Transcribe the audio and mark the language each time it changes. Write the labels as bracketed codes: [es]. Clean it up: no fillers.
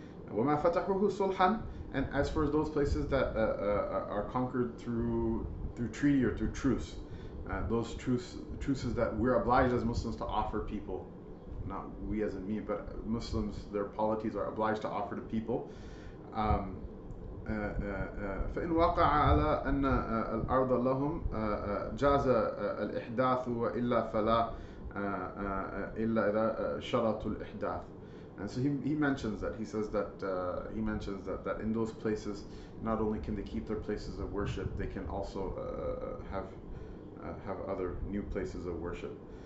[ar] وَمَا فَتَحُهُ سُلْحًا. [en] And as for those places that are conquered through treaty or through truce, those truces that we're obliged as Muslims to offer people, not we as in me, but Muslims, their polities are obliged to offer to people. [ar] فإن وقع على أن الأرض لهم جاز الإحداث وإلا فلا إلا إذا شرط الإحداث. [en] And so he mentions that. He says that he mentions that, that in those places, not only can they keep their places of worship, they can also have other new places of worship.